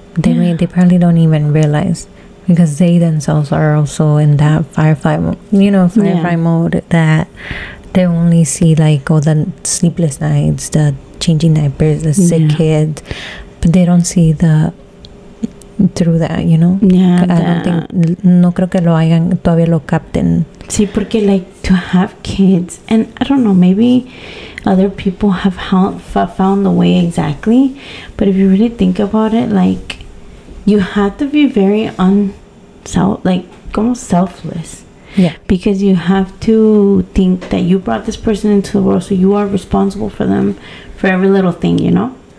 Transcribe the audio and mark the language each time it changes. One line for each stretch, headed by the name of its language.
English: They probably don't even realize, because they themselves are also in that firefight mode, that they only see, like, all the sleepless nights, the changing diapers, the sick kid. But they don't see the... through that, you know?
Spanish: No creo que lo hayan todavía lo capten. Sí, porque,
English: like, to have kids, and I don't know, maybe other people have found the way exactly, but if you really think about it, like, you have to be very selfless. Yeah. Because you have to think that you brought this person into the world, so you are responsible for them for every little thing, you know?